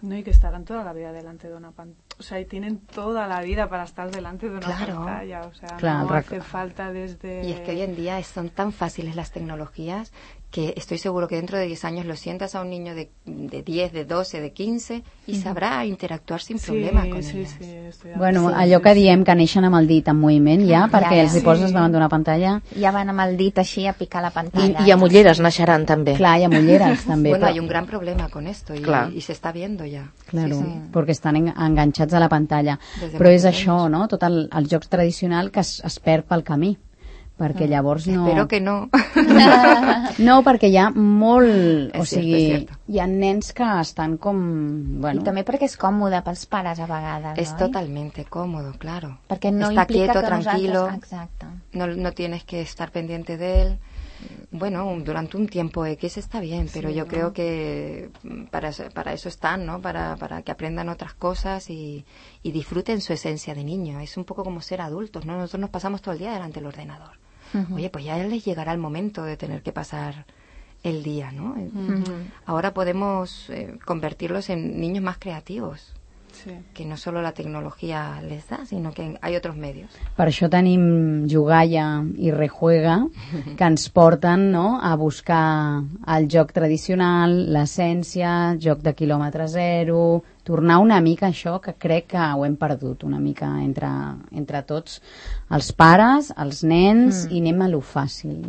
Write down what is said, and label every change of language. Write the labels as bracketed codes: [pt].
[es] No, y que estarán toda la vida delante de una pantalla. O sea, y tienen toda la vida para estar delante de una pantalla. O sea, hace falta desde... Y es que hoy en día son tan fáciles las tecnologías que estoy seguro que dentro de 10 años lo sientas a un niño de 10, de 12, de 15 y sabrá interactuar sin problema con ellas. Sí, [ca] bueno, allò que diem que neixen amb el dit en moviment ja, perquè els hi poses davant d'una pantalla. Ja van amb el dit així a picar la pantalla. I amb ulleres naixeran també. Clar, i amb ulleres també. [es] Bueno, hay un gran problema con esto y se está viendo ya. Claro, porque están enganchats a la pantalla. [ca] Però és això, no? Tot el joc tradicional que es perd pel camí. Perquè llavors no... Espero que no. No, perquè hi ha molt... Hi ha nens que estan com... Bueno. I també perquè és còmode pels pares a vegades, [es] és totalmente cómodo, claro. [ca] Perquè no implica [es] quieto, [ca] que nosaltres... [es] Está quieto, tranquilo. [ca] Exacte. [es] No tienes que estar pendiente de él. Bueno, durante un tiempo X está bien, pero sí, yo creo que para eso están, ¿no? Para que aprendan otras cosas y disfruten su esencia de niño. Es un poco como ser adultos, ¿no? Nosotros nos pasamos todo el día delante del ordenador. Uh-huh. Oye, pues ya les llegará el momento de tener que pasar el día, ¿no? Uh-huh. Ahora podemos convertirlos en niños más creativos. Sí. Que no solo la tecnología les da, sino que hay otros medios. [ca] Per això tenim Jugaia i Rejuega, que ens porten, no?, a buscar el joc tradicional, l'essència, joc de quilòmetre zero, tornar una mica això que crec que ho hem perdut, una mica entre tots, els pares, els nens, i anem a lo fàcil.